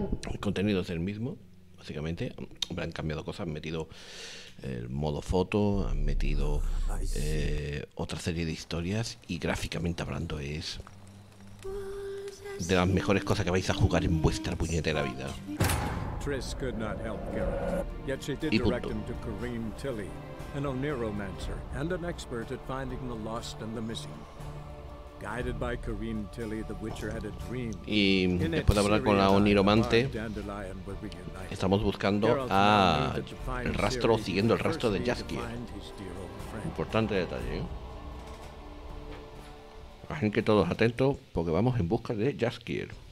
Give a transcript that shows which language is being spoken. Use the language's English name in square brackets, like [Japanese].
[Spanish] El contenido es el mismo, básicamente, han cambiado cosas, han metido el modo foto, han metido otra serie de historias y gráficamente hablando es de las mejores cosas que vais a jugar en vuestra puñetera vida. [English] Triss could not help Garrett, yet she did direct him to Kareem Tilly, an Oneromancer and an expert at finding the lost and the missing. Guided by Kareem Tilly, the Witcher had a dream. [Spanish] Y después de hablar con la Oniromante, estamos buscando a el rastro, siguiendo el rastro de Jaskier. Importante detalle, ¿eh? Así que todos atentos, porque vamos en busca de Jaskier.